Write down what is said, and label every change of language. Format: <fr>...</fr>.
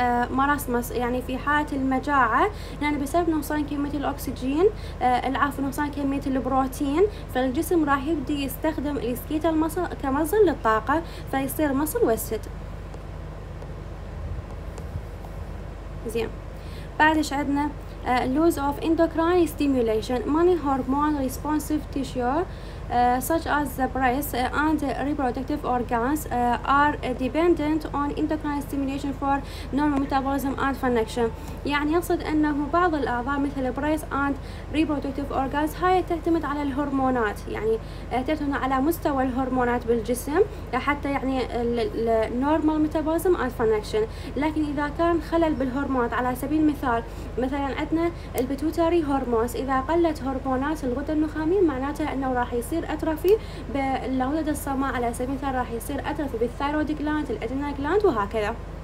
<ar>مراسمس يعني في حالة المجاعة، يعني بسبب نقصان كمية الأكسجين نقصان كمية البروتين، فالجسم راح يبدي يستخدم السكيتال مصل كمصدر للطاقة فيصير مصل وسد. زين، بعد ايش عندنا؟</ar> <en>lose of endocrine stimulation many hormone responsive tissue such as the breast and reproductive organs are dependent on endocrine stimulation for normal metabolism and function.</en> <ar>يعني يقصد أنه بعض الأعضاء مثل</ar> <en>breast and reproductive organs</en> <ar>هاي تعتمد على الهرمونات، يعني تعتمد على مستوى الهرمونات بالجسم حتى يعني</ar> <en>normal metabolism and function.</en> <ar>لكن إذا كان خلل بالهرمونات، على سبيل المثال مثلا عندنا البيتوتاري هرمونز، إذا قلت هرمونات الغدة النخامية معناته أنه راح يصير أترفي بالغدد الصماء، على سبيل المثال راح يصير أترفي بالثايرويد جلاند، الأدرينال جلاند، وهكذا.</ar>